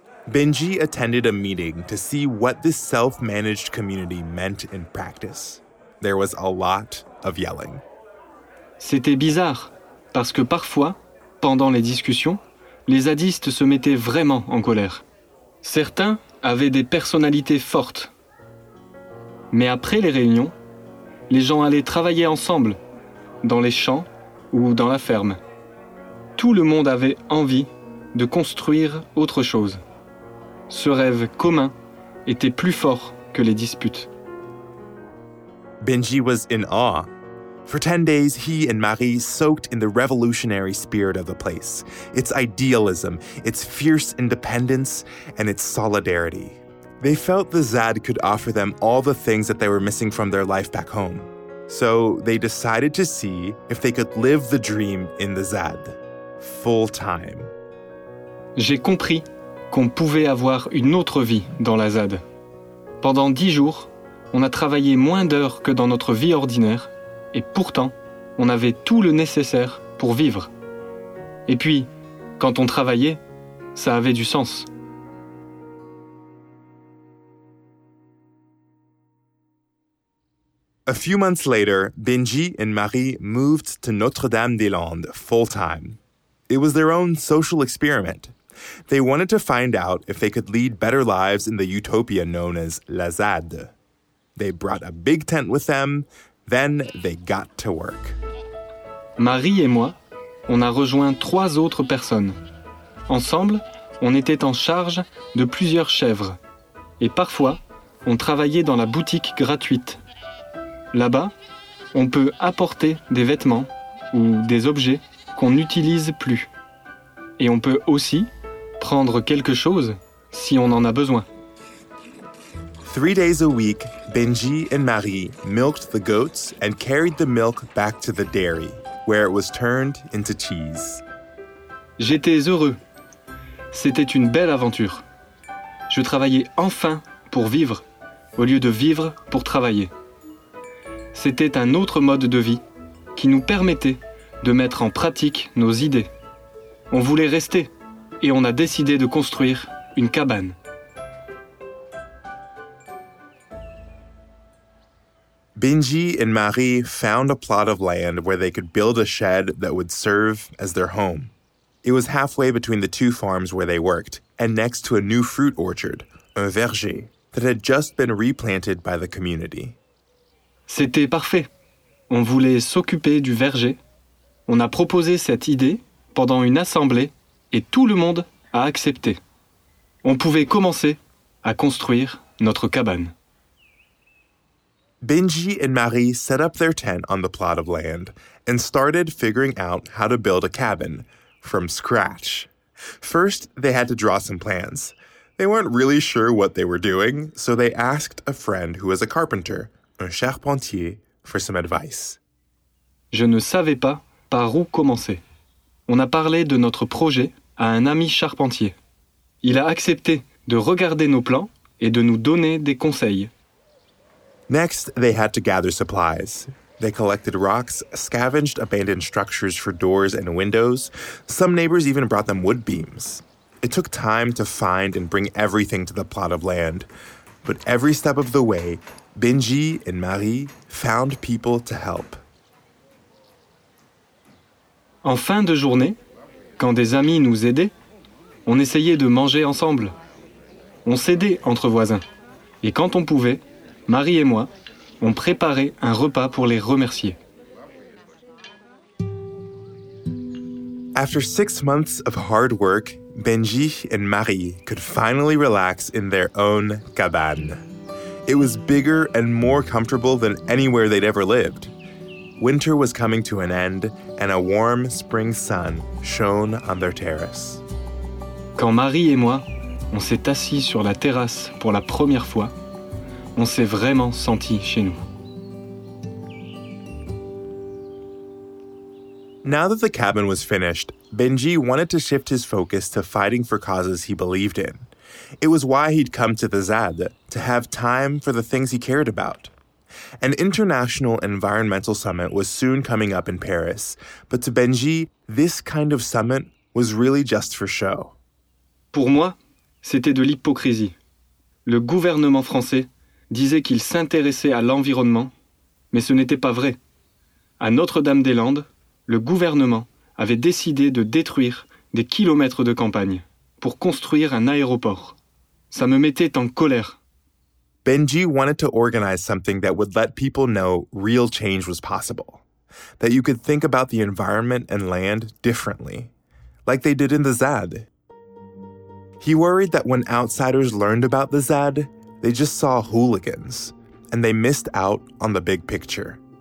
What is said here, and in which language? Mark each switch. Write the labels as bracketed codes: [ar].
[en] Benji attended a meeting to see what this self-managed community meant in practice. There was a lot of yelling. [fr] C'était bizarre, parce que parfois, pendant les discussions, les zadistes se mettaient vraiment en colère. Certains avaient des personnalités fortes. Mais après les réunions, les gens allaient travailler ensemble, dans les champs ou dans la ferme. Tout le monde avait envie de construire autre chose. Ce rêve commun était plus fort que les disputes. [en] Benji was in awe. For 10 days, he and Marie soaked in the revolutionary spirit of the place, its idealism, its fierce independence, and its solidarity. They felt the Zad could offer them all the things that they were missing from their life back home. So they decided to see if they could live the dream in the Zad, full time. [fr] J'ai compris qu'on pouvait avoir une autre vie dans la ZAD. Pendant 10 jours, on a travaillé moins d'heures que dans notre vie ordinaire, et pourtant, on avait tout le nécessaire pour vivre. Et puis, quand on travaillait, ça avait du sens. [en] A few months later, Benji and Marie moved to Notre-Dame-des-Landes full-time. It was their own social experiment. They wanted to find out if they could lead better lives in the utopia known as La ZAD. They brought a big tent with them, then they got to work. [fr] Marie et moi, on a rejoint 3 autres personnes. Ensemble, on était en charge de plusieurs chèvres. Et parfois, on travaillait dans la boutique gratuite. Là-bas, on peut apporter des vêtements ou des objets qu'on n'utilise plus. Et on peut aussi prendre quelque chose si on en a besoin. [en] 3 days a week, Benji and Marie milked the goats and carried the milk back to the dairy, where it was turned into cheese. [fr] J'étais heureux. C'était une belle aventure. Je travaillais enfin pour vivre, au lieu de vivre pour travailler. C'était un autre mode de vie qui nous permettait de mettre en pratique nos idées. On voulait rester. Et on a décidé de construire une cabane. [en] Benji and Marie found a plot of land where they could build a shed that would serve as their home. It was halfway between the 2 farms where they worked, and next to a new fruit orchard, [fr] un verger, [en] that had just been replanted by the community. [fr] C'était parfait. On voulait s'occuper du verger. On a proposé cette idée pendant une assemblée. Et tout le monde a accepté. On pouvait commencer à construire notre cabane. [en] Benji and Marie set up their tent on the plot of land and started figuring out how to build a cabin from scratch. First, they had to draw some plans. They weren't really sure what they were doing, so they asked a friend who was a carpenter, [fr] un charpentier, [en] for some advice. [fr] Je ne savais pas par où commencer. On a parlé de notre projet à un ami charpentier. Il a accepté de regarder nos plans et de nous donner des conseils. [en] Next, they had to gather supplies. They collected rocks, scavenged abandoned structures for doors and windows. Some neighbors even brought them wood beams. It took time to find and bring everything to the plot of land. But every step of the way, Benji and Marie found people to help. [fr] En fin de journée, quand des amis nous aidaient, on essayait de manger ensemble. On s'aidait entre voisins. Et quand on pouvait, Marie et moi, on préparait un repas pour les remercier. [en] After 6 months of hard work, Benji and Marie could finally relax in their own cabane. It was bigger and more comfortable than anywhere they'd ever lived. Winter was coming to an end, and a warm spring sun shone on their terrace. [fr] Quand Marie et moi, on s'est assis sur la terrasse pour la première fois, on s'est vraiment senti chez nous. [en] Now that the cabin was finished, Benji wanted to shift his focus to fighting for causes he believed in. It was why he'd come to the ZAD, to have time for the things he cared about. An international environmental summit was soon coming up in Paris, but to Benji, this kind of summit was really just for show. [fr] Pour moi, c'était de l'hypocrisie. Le gouvernement français disait qu'il s'intéressait à l'environnement, mais ce n'était pas vrai. À Notre-Dame-des-Landes, le gouvernement avait décidé de détruire des kilomètres de campagne pour construire un aéroport. Ça me mettait en colère. [en] Benji wanted to organize something that would let people know real change was possible. That you could think about the environment and land differently, like they did in the ZAD. He worried that when outsiders learned about the ZAD, they just saw hooligans, and they missed out on the big picture.